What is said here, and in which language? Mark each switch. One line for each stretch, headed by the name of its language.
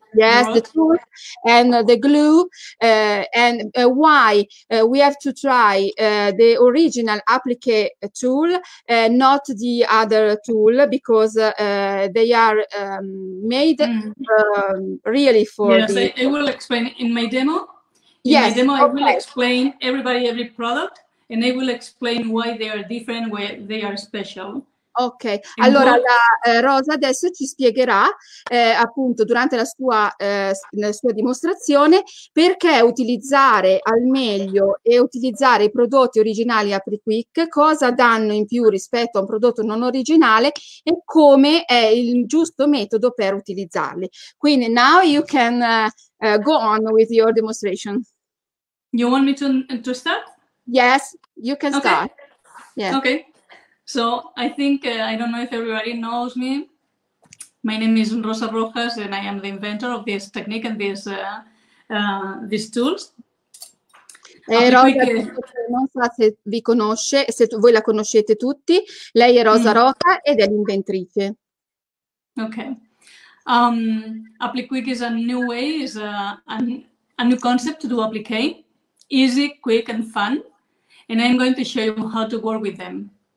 English: Yes, the tool and the glue, and why we have to try the original applique tool, not the other tool, because they are made really for. Yes, I will explain in my demo. In my demo, I will explain every product, and I will explain why they are different, why they are special.
Italian: Ok, allora la Rosa adesso ci spiegherà appunto durante la sua dimostrazione perché utilizzare al meglio e utilizzare i prodotti originali applique, cosa danno in più rispetto a un prodotto non originale e come è il giusto metodo per utilizzarli. Quindi
English: now you can go on with your demonstration. You want me to start? Yes, you can start. Yes. Okay. So I think, I don't know if everybody knows me, my name is Rosa Rojas and I am the inventor of this technique and these tools.
Italian: Non so se vi conosce, se voi la conoscete tutti, lei è Rosa Roja ed è l'inventrice.
English: Okay. Applique is a new way, is a new concept to do applique, easy, quick and fun, and I'm going to show you how to work with them.